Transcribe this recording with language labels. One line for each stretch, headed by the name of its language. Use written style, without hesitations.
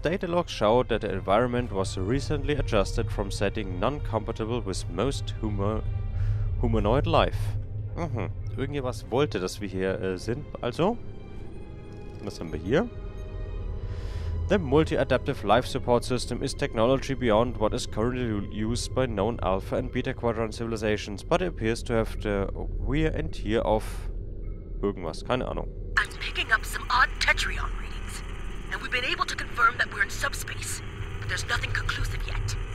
English: Data logs show that the environment was recently adjusted from setting non-compatible with most humanoid life. Mhm.
German: Irgendjemand wollte, dass wir hier sind, also. Was haben wir hier?
English: The multi-adaptive life support system is technology beyond what is currently used by known Alpha and Beta Quadrant civilizations, but it appears to have the wear and tear of
German: irgendwas, keine Ahnung.
English: I'm picking up some odd tetrion readings, and we've been able to confirm that we're in subspace, but there's nothing conclusive yet.